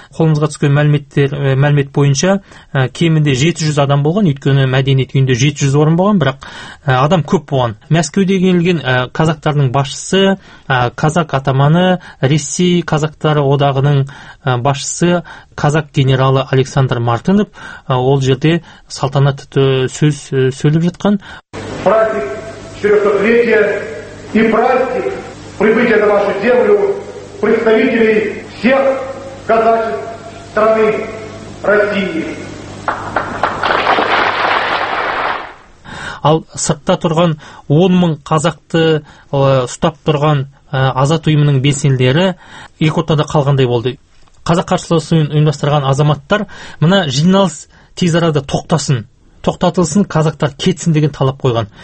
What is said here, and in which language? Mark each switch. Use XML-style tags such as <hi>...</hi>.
<kk>Қолымызға түскен мәлімет бойынша кемінде 700 адам болған, өйткені мәдениет үйінде 700 орын болған, бірақ адам көп болған. Мәскеуде келген қазақтардың басшысы, қазақ атаманы, Ресей қазақтары одағының басшысы, қазақ генералы Александр Мартынов ол жерде салтанатты сөз сөйлеп жатқан.</kk> <ru>Праздник 400-летия и праздник прибытия на вашу землю представителей всех казачьих страны России.</ru> <kk>Ал сыртта тұрған 10,000 қазақты ұстап тұрған азат ұйымының белсенділері екі ортада қалғандай болды. Қазақ қарсыласын ұйымдастырған азаматтар мына жиналыс тез арада тоқтатылсын, қазақтар кетсін деген талап қойған.</kk>